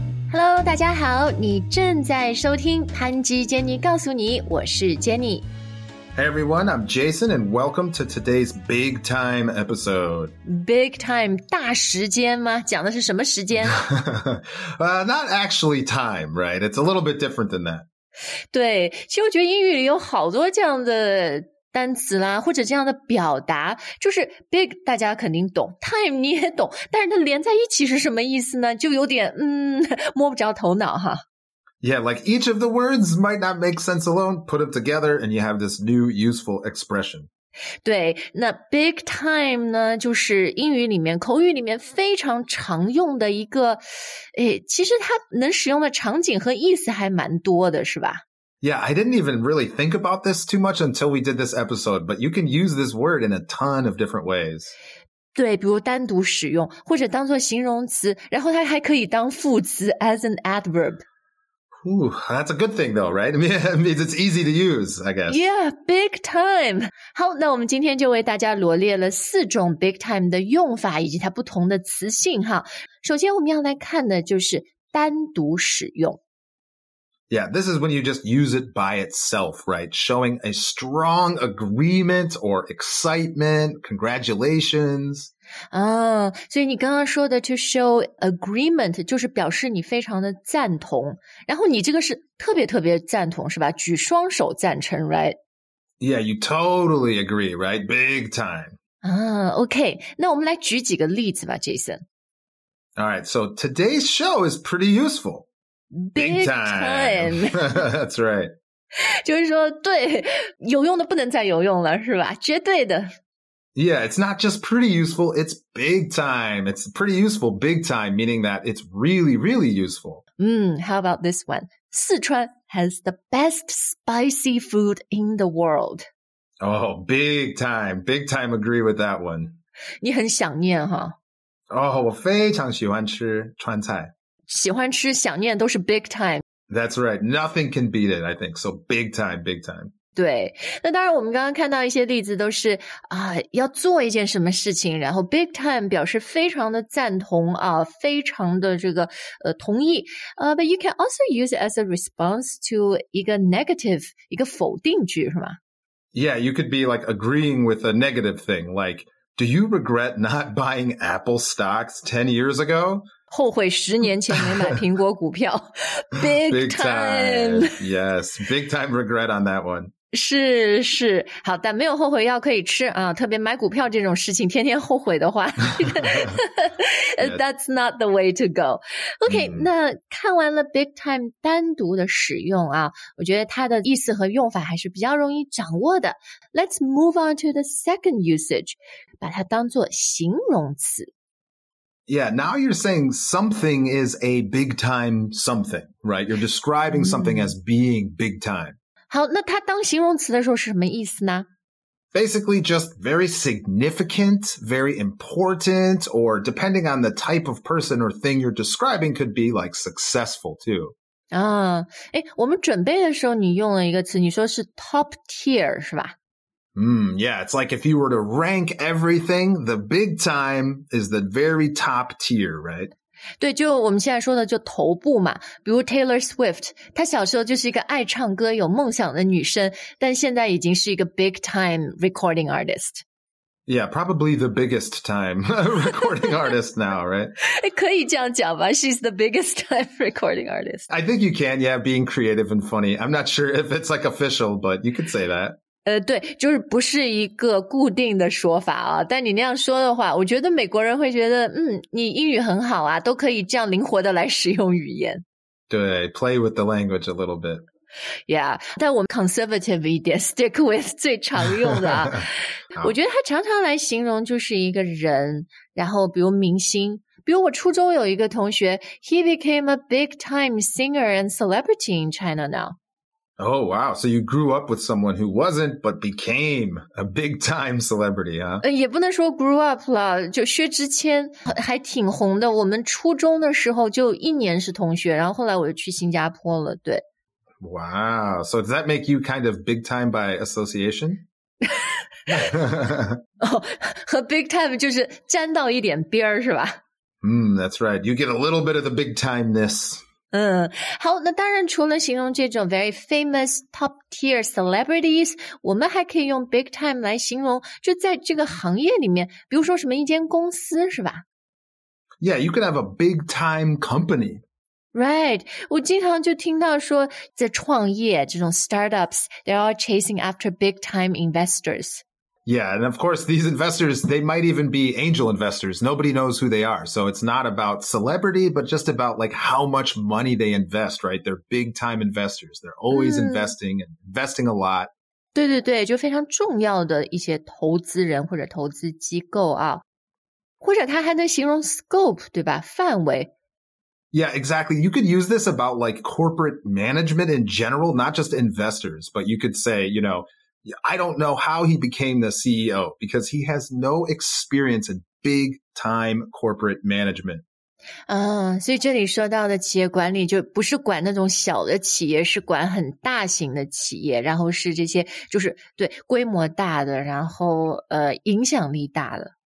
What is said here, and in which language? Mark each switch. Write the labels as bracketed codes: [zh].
[zh] Hello， 大家好，你正在收听潘基杰尼告诉你，我是 Jenny。 [en] Hey everyone, I'm Jason, and welcome to today's big time episode. [zh] Big time 大时间吗？讲的是什么时间？ [en] not actually time, right? It's a little bit different than that. [zh] 对，其实我觉得英语里有好多这样的单词啦，或者这样的表达，就是 big 大家肯定懂， time 你也懂，但是它连在一起是什么意思呢？就有点摸不着头脑哈。 [en] Yeah, like each of the words might not make sense alone, put them together and you have this new useful expression. [zh] 对，那 big time 呢，就是英语里面口语里面非常常用的一个，其实它能使用的场景和意思还蛮多的，是吧？ [en] Yeah, I didn't even really think about this too much until we did this episode, but you can use this word in a ton of different ways. [zh] 对，比如单独使用，或者当作形容词，然后它还可以当副词 [en] as an adverb. Ooh, that's a good thing though, right? I mean, it's easy to use, I guess. Yeah, big time. [zh] 好，那我们今天就为大家罗列了四种 big time 的用法以及它不同的词性哈。首先我们要来看的就是单独使用。 [en] Yeah, this is when you just use it by itself, right? Showing a strong agreement or excitement, congratulations. [zh] 所以你刚刚说的 [en] to show agreement [zh] 就是表示你非常的赞同。然后你这个是特别特别赞同是吧？举双手赞成 right? [en] Yeah, you totally agree, right? Big time. [zh] Okay, 那我们来举几个例子吧 Jason. [en] All right, so today's show is pretty useful. Big time. That's right. [zh] 就是说对有用的不能再有用了是吧绝对的。 [en] Yeah, it's not just pretty useful, it's big time. It's pretty useful, big time, meaning that it's really, really useful. How about this one? Sichuan has the best spicy food in the world. Oh, big time. Big time agree with that one. [zh] 你很想念哈。 Oh, 我非常喜欢吃川菜。喜欢吃想念都是 big time. [en] That's right. Nothing can beat it, I think. So big time, big time. [zh] 对。那当然我们刚刚看到一些例子都是要做一件什么事情然后 big time 表示非常的赞同非常的这个同意。 [en] But you can also use it as a response to 一个 negative, [zh] 一个否定句是吗 [en] Yeah, you could be like agreeing with a negative thing. Like, do you regret not buying Apple stocks 10 years ago? [zh] 后悔十年前没买苹果股票big, [en] big time. Yes, big time regret on that one. [zh] 是是好但没有后悔药可以吃啊特别买股票这种事情天天后悔的话。 [en] That's not the way to go. [zh] Okay,那看完了 big time 单独的使用啊我觉得它的意思和用法还是比较容易掌握的。 [en] Let's move on to the second usage, [zh] 把它当作形容词。 [en] Yeah, now you're saying something is a big time something, right? You're describing something as being big time. [zh] 好，那它当形容词的时候是什么意思呢？ [en] Basically, just very significant, very important, or depending on the type of person or thing you're describing, could be like successful too. [zh] 我们准备的时候你用了一个词，你说是 top tier, 是吧？ [en] Yeah, it's like if you were to rank everything, the big time is the very top tier, right? [zh] 对，就我们现在说的就头部嘛。比如 Taylor Swift, 她小时候就是一个爱唱歌、有梦想的女生，但现在已经是一个 [en] big time recording artist. Yeah, probably the biggest time recording artist now, right? [zh] 可以这样讲吧 [en] She's the biggest time recording artist. I think you can, yeah, being creative and funny. I'm not sure if it's like official, but you could say that. [zh] 对就是不是一个固定的说法啊但你那样说的话我觉得美国人会觉得你英语很好啊都可以这样灵活的来使用语言。 [en] 对 play with the language a little bit. [zh] Yeah, 但我们 conservative 一点 [en] stick with [zh] 最常用的啊我觉得它常常来形容就是一个人然后比如明星比如我初中有一个同学 [en] he became a big time singer and celebrity in China now. Oh, wow. So you grew up with someone who wasn't, but became a big time celebrity, huh? [zh] 也不能说 [en] grew up [zh] 了就薛之谦还挺红的。我们初中的时候就一年是同学然后后来我就去新加坡了对。 [en] Wow. So does that make you kind of big time by association? [zh] 和 big time 就是沾到一点边儿是吧 [en] that's right. You get a little bit of the big time-ness. [zh] 好，那当然除了形容这种 [en] very famous top tier celebrities, [zh] 我们还可以用 big time 来形容就在这个行业里面，比如说什么一间公司是吧？ [en] Yeah, you can have a big time company. Right, [zh] 我经常就听到说在创业这种 [en] startups, they're all chasing after big time investors. Yeah, and of course, these investors, they might even be angel investors. Nobody knows who they are. So it's not about celebrity, but just about like how much money they invest, right? They're big time investors. They're always investing and investing a lot. [zh] 对对对，就非常重要的一些投资人或者投资机构啊。或者他还能形容 scope, 对吧？范围。 [en] Yeah, exactly. You could use this about like corporate management in general, not just investors, but you could say, you know,I don't know how he became the CEO because he has no experience in big time corporate management. [zh] 所以这里说到的企业管理就不是管那种小的企业，是管很大型的企业，然后是这些就是对规模大的，然后影响力大的。